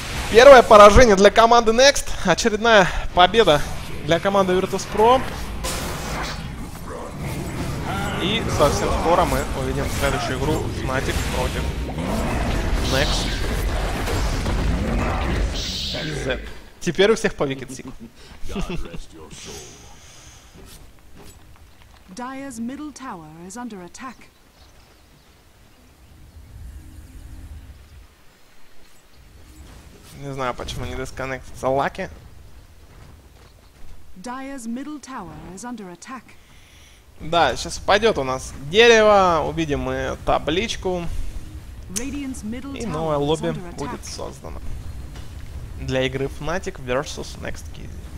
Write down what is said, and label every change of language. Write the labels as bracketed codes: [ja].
[ru] Первое поражение для команды Next. Очередная победа для команды Virtus.pro. И совсем скоро мы увидим следующую игру Fnatic против Next. Z. Теперь у всех по Wicked Seek. [en] Dire's middle tower is under attack. [ru] Не знаю, почему не дисконнектится Lucky. [en] Dire's middle tower is under attack. [ru] Да, сейчас упадет у нас дерево, увидим мы табличку. И новое лобби будет создано. Для игры Fnatic vs Next KZ.